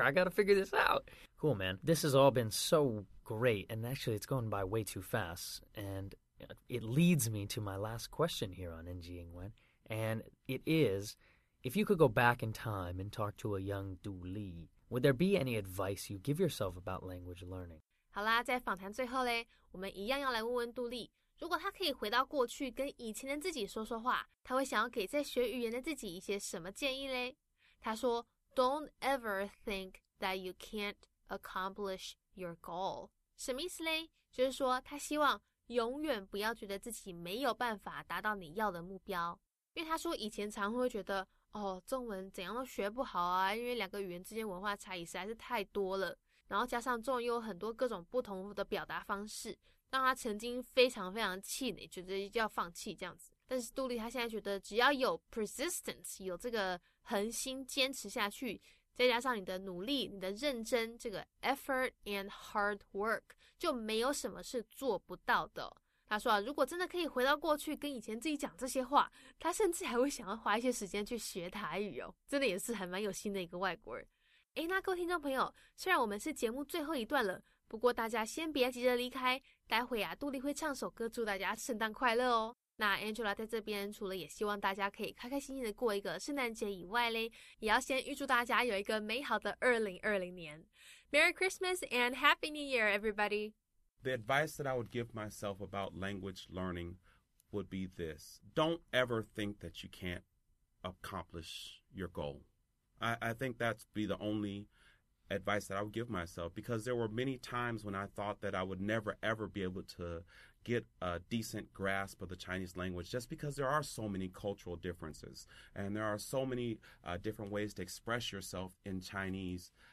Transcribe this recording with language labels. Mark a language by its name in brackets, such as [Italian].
[English] I got to figure this out. Cool, man. This has all been so great, and actually it's going by way too fast. And it leads me to my last question here on NG Ingwen, and it is, if you could go back in time and talk to a young Dooley, would there be any advice you give yourself about language learning? [Chinese] 好啦，在访谈最后咧，我们一样要来问问杜莉，如果他可以回到过去跟以前的自己说说话，他会想要给在学语言的自己一些什么建议咧？他说 [English] ，Don't ever think that you can't accomplish your goal. [Chinese] 什么意思咧？就是说他希望永远不要觉得自己没有办法达到你要的目标，因为他说以前常会觉得。哦，中文怎样都学不好啊，因为两个语言之间文化差异实在是太多了，然后加上中文又有很多各种不同的表达方式，让他曾经非常非常气馁，觉得要放弃这样子。但是杜莉他现在觉得只要有 [English] persistence, [Chinese] 有这个恒心坚持下去，再加上你的努力，你的认真，这个 [English] effort and hard work, [Chinese] 就没有什么是做不到的。他说啊，如果真的可以回到过去跟以前自己讲这些话，他甚至还会想要花一些时间去学台语哦，真的也是还蛮有心的一个外国人。诶，那各位听众朋友，虽然我们是节目最后一段了，不过大家先别急着离开，待会啊，杜莉会唱首歌祝大家圣诞快乐哦。那 Angela 在这边除了也希望大家可以开开心心的过一个圣诞节以外咧，也要先预祝大家有一个美好的2020年。 [English] Merry Christmas and Happy New Year, everybody! The advice that I would give myself about language learning would be this. Don't ever think that you can't accomplish your goal. I think that'd be the only advice that I would give myself, because there were many times when I thought that I would never, ever be able to get a decent grasp of the Chinese language, just because there are so many cultural differences and there are so many different ways to express yourself in Chinese.